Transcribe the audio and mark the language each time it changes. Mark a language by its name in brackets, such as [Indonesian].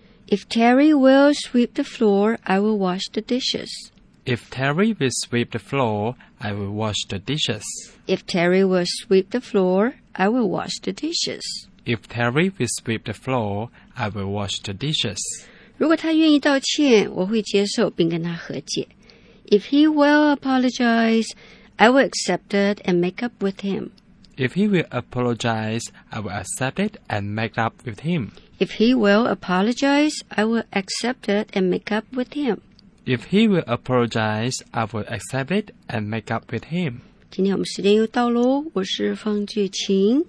[English] If Terry will sweep the floor, I will wash the dishes. If Terry will sweep the floor, I will wash the dishes. If Terry will sweep the floor, I will wash the dishes. If Terry will sweep the floor, I will wash the dishes. [Chinese] 如果他愿意道歉，我会接受并跟他和解。 [English] If he will apologize, I will accept it and make up with him. If he will apologize, I will accept it and make up with him. If he will apologize, I will accept it and make up with him. If he will apologize, I will accept it and make up with him. [Chinese] 今天我们时间又到咯，我是方俊晴，